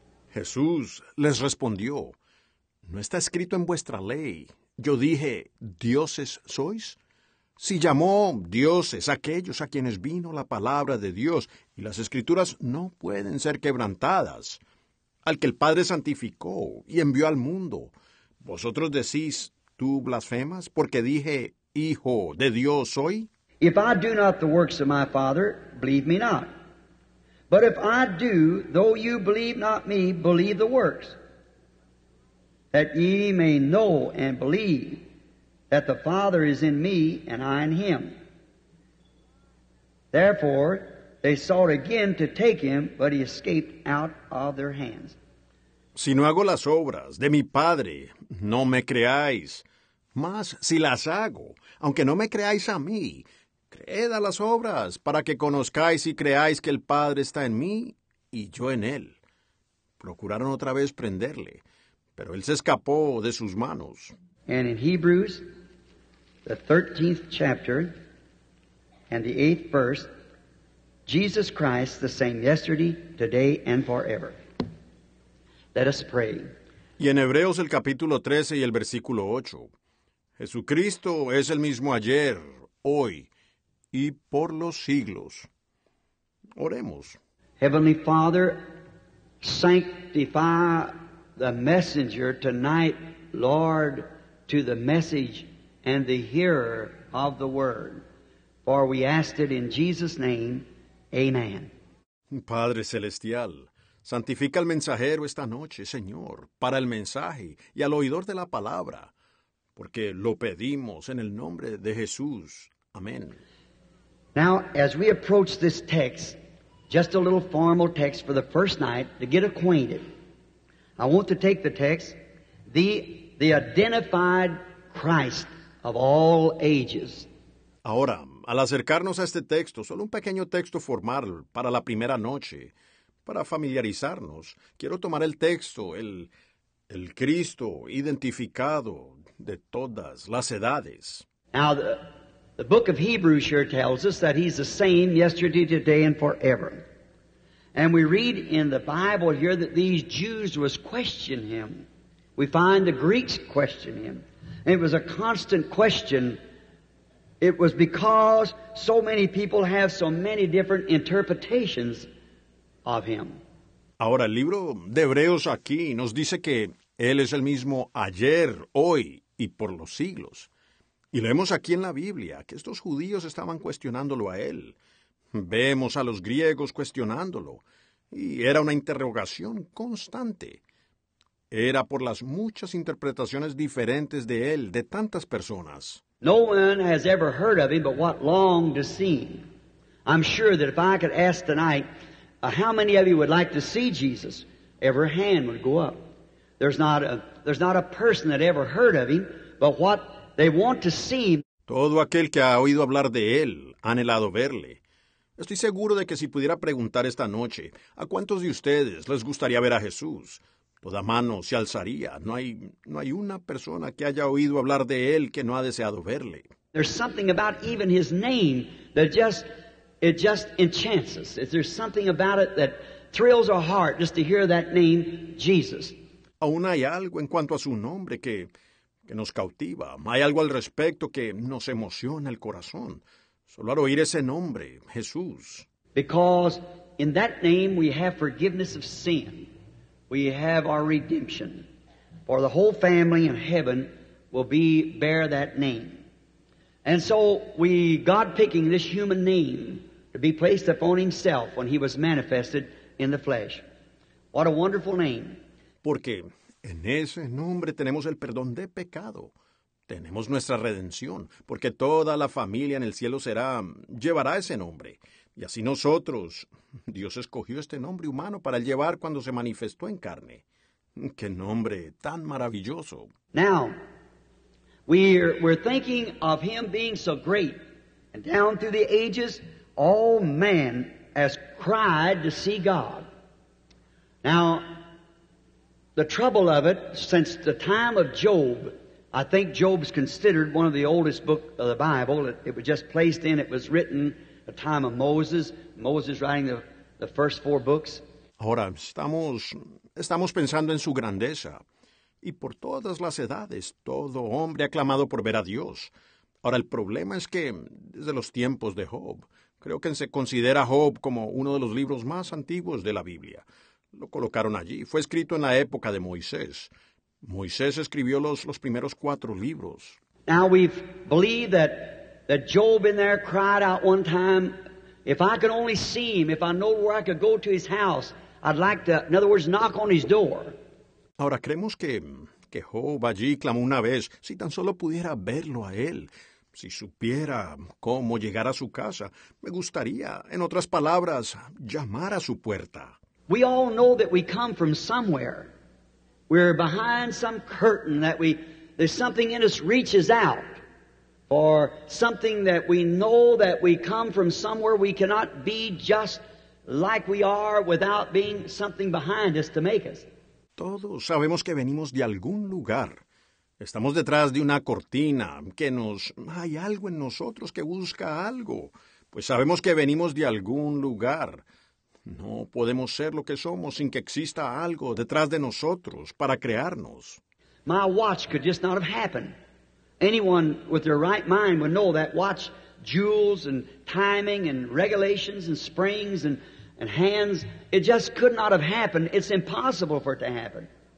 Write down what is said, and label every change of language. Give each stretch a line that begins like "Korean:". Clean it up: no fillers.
Spanish: Jesús les respondió, No está escrito en vuestra ley, yo dije, dioses sois? Si llamó dioses aquellos a quienes vino la palabra de Dios, y las escrituras no pueden ser quebrantadas, al que el Padre santificó y envió al mundo, vosotros decís, tú blasfemas, porque dije, hijo de Dios soy?
English: If I do not the works of my Father, believe me not. But if I do, though you believe not me, believe the works, that ye may know and believe. That the Father is in me, and I in him. Therefore, they sought again to take him, but he escaped out of their hands.
Spanish: Si no hago las obras de mi Padre, no me creáis. Mas si las hago, aunque no me creáis a mí, creed a las obras, para que conozcáis y creáis que el Padre está en mí, y yo en él. Procuraron otra vez prenderle, pero él se escapó de sus manos.
English: And in Hebrews, the 13th chapter and the 8th verse, Jesus Christ the same yesterday, today, and forever. Let us pray.
Spanish: Y en Hebreos el capítulo 13 y el versículo 8, Jesucristo es el mismo ayer, hoy y por los siglos. Oremos.
English: Heavenly Father, sanctify the messenger tonight, Lord, to the message and the hearer of the word. For we ask it in Jesus' name. Amen.
Spanish: Padre Celestial, santifica al mensajero esta noche, Señor, para el mensaje y al oidor de la palabra, porque lo pedimos en el nombre de Jesús. Amén.
English: Now, as we approach this text, just a little formal text for the first night to get acquainted, I want to take the text, the identified Christ of all ages.
Spanish: Ahora, al acercarnos a este texto, solo un pequeño texto formal para la primera noche, para familiarizarnos, quiero tomar el texto, el Cristo identificado de todas las edades.
English: Now, the book of Hebrews sure tells us that he's the same yesterday, today, and forever. And we read in the Bible here that these Jews was questioning him. We find the Greeks questioning him. And it was a constant question. It was because so many people have so many different interpretations of him.
Spanish: Ahora, el libro de Hebreos aquí nos dice que él es el mismo ayer, hoy y por los siglos. Y leemos aquí en la Biblia que estos judíos estaban cuestionándolo a él. Vemos a los griegos cuestionándolo. Y era una interrogación constante. Era por las muchas interpretaciones diferentes de él, de tantas personas.
English: No one has ever heard of him but what longed to see him. I'm sure that if I could ask tonight, how many of you would like to see Jesus, every hand would go up. There's not a person that ever heard of him but what they want to see.
Spanish: Todo aquel que ha oído hablar de él ha anhelado verle. Estoy seguro de que si pudiera preguntar esta noche, ¿a cuántos de ustedes les gustaría ver a Jesús? Toda mano se alzaría. No hay una persona que haya oído hablar de él que no ha deseado verle.
English: There's something about even his name that just enchants us. There's something about it that thrills our heart just to hear that name, Jesus.
Spanish: Aún hay algo en cuanto a su nombre que nos cautiva. Hay algo al respecto que nos emociona el corazón. Solo al oír ese nombre, Jesús.
English: Because in that name we have forgiveness of sin. We have our redemption. For the whole family in heaven will bear that name. And so we, God picking this human name to be placed upon himself when he was manifested in the flesh. What a wonderful name.
Spanish: Porque en ese nombre tenemos el perdón de pecado. Tenemos nuestra redención, porque toda la familia en el cielo llevará ese nombre. Y así nosotros, Dios escogió este nombre humano para llevar cuando se manifestó en carne. ¡Qué nombre tan maravilloso!
English: Now, we're thinking of him being so great. And down through the ages, all man has cried to see God. Now, the trouble of it, since the time of Job, I think Job's considered one of the oldest books of the Bible. It was just placed in. It was written at the time of Moses. Moses writing the first four books.
Spanish: Ahora, estamos pensando en su grandeza. Y por todas las edades, todo hombre ha clamado por ver a Dios. Ahora, el problema es que, desde los tiempos de Job, creo que se considera Job como uno de los libros más antiguos de la Biblia. Lo colocaron allí. Fue escrito en la época de Moisés. Moisés escribió los primeros cuatro libros.
English: Now we believe that Job in there cried out one time, if I could only see him, if I know where I could go to his house, I'd like to, in other words, knock on his door.
Spanish: Ahora creemos que Job allí clamó una vez, si tan solo pudiera verlo a él, si supiera cómo llegar a su casa, me gustaría, en otras palabras, llamar a su puerta.
English: We all know that we come from somewhere. We're behind some curtain there's something in us reaches out for something that we know that we come from somewhere. We cannot be just like we are without being something behind us to make us.
Spanish: Todos sabemos que venimos de algún lugar. Estamos detrás de una cortina hay algo en nosotros que busca algo. Pues sabemos que venimos de algún lugar. No podemos ser lo que somos sin que exista algo detrás de nosotros para crearnos.
English: My watch could just not have happened. Anyone with their right mind would know that watch jewels and timing and regulations and springs and hands, it just could not have happened. It's impossible for it to happen.